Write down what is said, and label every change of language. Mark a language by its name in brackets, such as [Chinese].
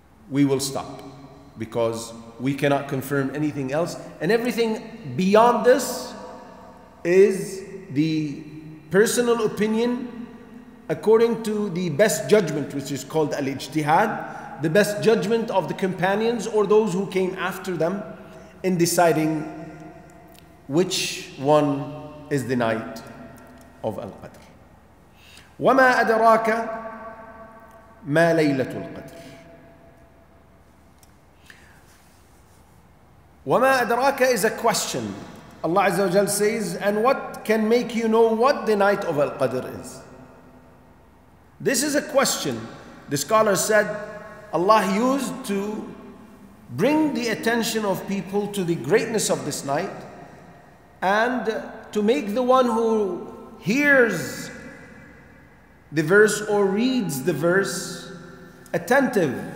[English] we will stop, because we cannot confirm anything else, and everything beyond this is the personal opinion according to the best judgment, which is called al-ijtihad, the best judgment of the companions or those who came after them in deciding which one is the night of Al-Qadr. [Arabic] وَمَا أَدْرَاكَ مَا لَيْلَةُ الْقَدْرِ وَمَا أَدْرَاكَ [English] is a question. Allah Azza wa Jal says, and what can make you know what the night of Al-Qadr is? This is a question. The scholar said, Allah used to bring the attention of people to the greatness of this night and to make the one who hears the verse or reads the verse attentive.